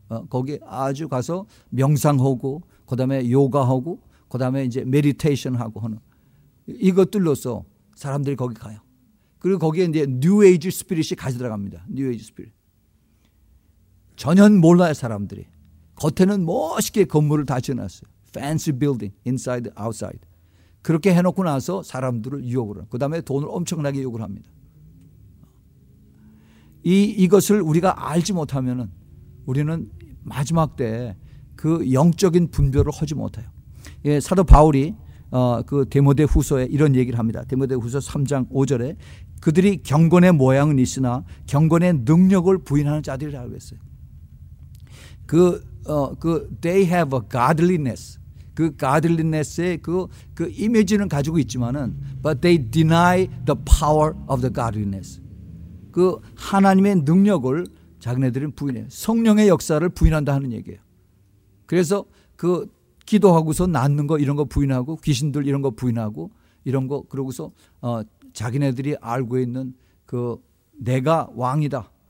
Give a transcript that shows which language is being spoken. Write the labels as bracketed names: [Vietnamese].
[Korean] 거기 아주 가서 명상하고, 그다음에 요가하고, 그다음에 이제 메디테이션하고 하는 이것들로서 사람들이 거기 가요. 그리고 거기에 이제 뉴 에이지 스피릿이 같이 들어갑니다. 뉴 에이지 스피릿. 전혀 몰라요, 사람들이. 겉에는 멋있게 건물을 다 지어놨어요. [English] Fancy building, inside, outside. [Korean] 그렇게 해놓고 나서 사람들을 유혹을 합니다. 그 다음에 돈을 엄청나게 요구를 합니다. 이것을 우리가 알지 못하면은 우리는 마지막 때 그 영적인 분별을 하지 못해요. 예, 사도 바울이 그 데모데 후서에 이런 얘기를 합니다. 데모데 후서 3장 5절에 그들이 경건의 모양은 있으나 경건의 능력을 부인하는 자들이라고 했어요. [English] 그 they have a godliness. [Korean] 그 godliness의 그 이미지는 가지고 있지만은 [English] but they deny the power of the godliness. [Korean] 그 하나님의 능력을 자기네들은 부인해요. 성령의 역사를 부인한다 하는 얘기예요. 그래서 그 기도하고서 낳는 거 이런 거 부인하고 귀신들 이런 거 부인하고 이런 거 그러고서 자기네들이 알고 있는 그 내가 왕이다.